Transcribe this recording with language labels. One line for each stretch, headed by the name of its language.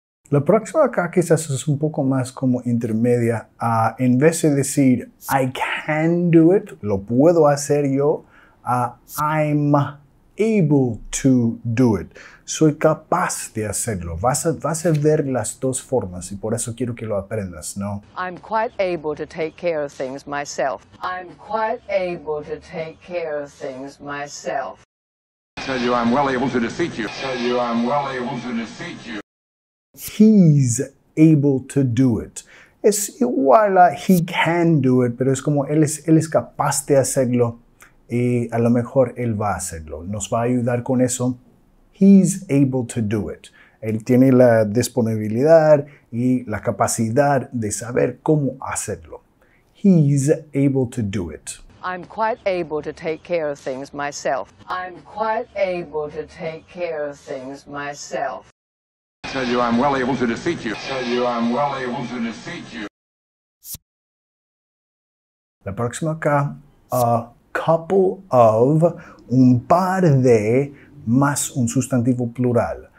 Spanish: La próxima acá quizás es un poco más como intermedia. En vez de decir,
English: I can do it,
Spanish: lo puedo hacer yo,
English: I'm able to do it.
Spanish: Soy capaz de hacerlo. Vas a ver las dos formas y por eso quiero que lo aprendas, ¿no?
English: I'm quite able to take care of things myself. I'm quite able to take care of things myself. Tell you I'm well able to defeat you. Tell you I'm well able to defeat you. He's able to do it.
Spanish: Es igual a
English: he can do it,
Spanish: pero es como él es capaz de hacerlo y a lo mejor él va a hacerlo. Nos va a ayudar con eso.
English: He's able to do it.
Spanish: Él tiene la disponibilidad y la capacidad de saber cómo hacerlo.
English: He's able to do it. I'm quite able to take care of things myself. I'm quite able to take care of things myself. Tell you I'm well able to defeat you. Tell you I'm well able to defeat you.
Spanish: La próxima acá,
English: a couple of,
Spanish: un par de, más un sustantivo plural.